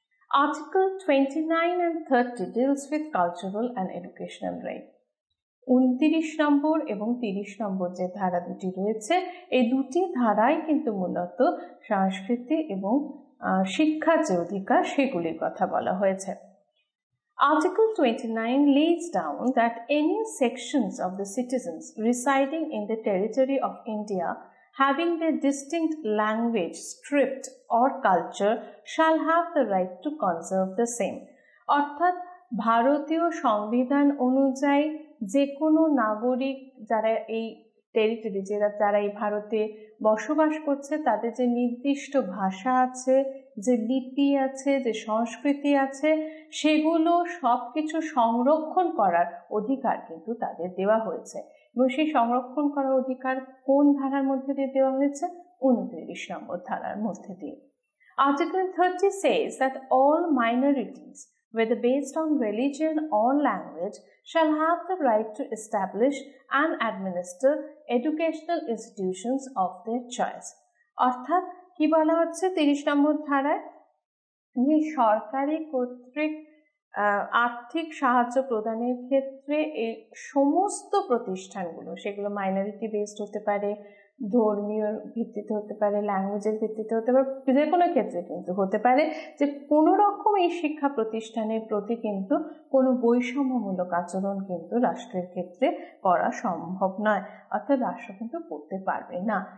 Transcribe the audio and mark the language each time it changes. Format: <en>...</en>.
<en>Article 29 and 30 deals with cultural and educational rights.</en> <bn>29 নম্বর এবং 30 নম্বর যে ধারা দুটি রয়েছে, এই দুটি ধারাই কিন্তু মূলত সংস্কৃতি এবং শিক্ষার যে অধিকার সেগুলির কথা বলা হয়েছে।</bn> <en>Article 29 lays down that any sections of the citizens residing in the territory of India having their distinct language, script or culture shall have the right to conserve the same.</en> <bn>অর্থাৎ ভারতীয় সংবিধান অনুযায়ী যে কোনো নাগরিক যারা এই টেরিটরি যারা এই ভারতে বসবাস করছে তাদের যে নির্দিষ্ট ভাষা আছে, যে লিপি আছে, যে সংস্কৃতি আছে, সেগুলো সব কিছু সংরক্ষণ করার অধিকার কিন্তু তাদের দেওয়া হয়েছে। এবং সেই সংরক্ষণ করার অধিকার কোন ধারার মধ্যে দিয়ে দেওয়া হয়েছে? 29 নম্বর ধারার মধ্যে দিয়ে।</bn> <en>Article 30 says that all minorities, whether based on religion or language, shall have the right to establish and administer educational institutions of their choice.</en> <bn>অর্থাৎ কি বলা হচ্ছে 30 নম্বর ধারায়? যে সরকারি কর্তৃক আর্থিক সাহায্য প্রদানের ক্ষেত্রে এই সমস্ত প্রতিষ্ঠানগুলো, সেগুলো মাইনরিটি বেসড হতে পারে, ধর্মীয় ভিত্তিতে হতে পারে, ল্যাঙ্গুয়েজের ভিত্তিতে হতে পারে, যে কোনো ক্ষেত্রে কিন্তু হতে পারে, যে কোনো রকম এই শিক্ষা প্রতিষ্ঠানের প্রতি কিন্তু কোনো বৈষম্যমূলক আচরণ কিন্তু রাষ্ট্রের ক্ষেত্রে করা সম্ভব নয়, অর্থাৎ রাষ্ট্র কিন্তু করতে পারবে না।</bn>